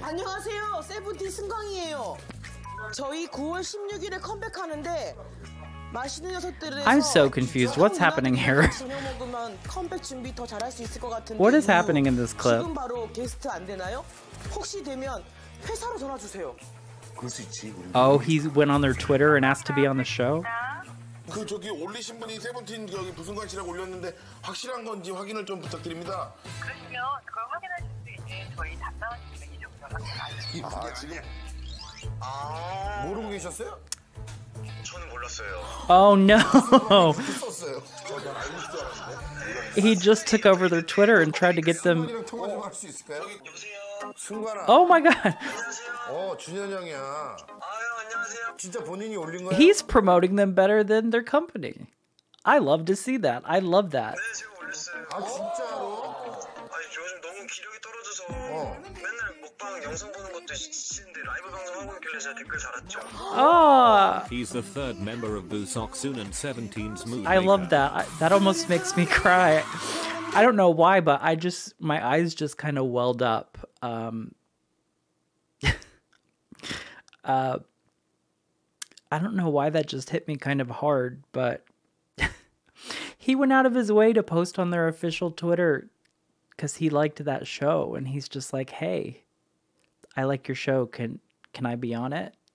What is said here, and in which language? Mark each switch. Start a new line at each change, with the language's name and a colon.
Korean: 안녕하세요, 세븐틴 승광이에요. 저희 9월 16일에 컴백하는데 맛있는 녀석들을.
English: I'm so confused. What's happening here?
Korean: 저녁 먹으면 컴백 준비 더 잘할 수 있을 것 같은데.
English: What is happening in this clip?
Korean: 지금 바로 게스트 안 되나요? 혹시 되면 회사로 전화 주세요.
English: Oh, he went on their Twitter and asked to be on the show? Oh, no! He just took over their Twitter and tried to get them... Oh my god!
Korean: Oh, 준현 형이야. 아유, 안녕하세요. 진짜 본인이 올린 거야?
English: He's promoting them better than their company. I love to see that. I love that.
Korean: 네, 제가 올렸어요. 아, 진짜로? 아니, 요즘 너무 기력이 떨어져서 맨날 먹방 영상 보는 것도 싫은데 라이브 방송 하고 있길래 제가 댓글 달았죠.
English: Oh. He's the third member of Busocksoon and 17's movie. I love that. That almost makes me cry. I don't know why, but I just, my eyes just kind of welled up. I don't know why that just hit me kind of hard, but he went out of his way to post on their official Twitter because he liked that show, and he's just like, hey, I like your show, can I be on it?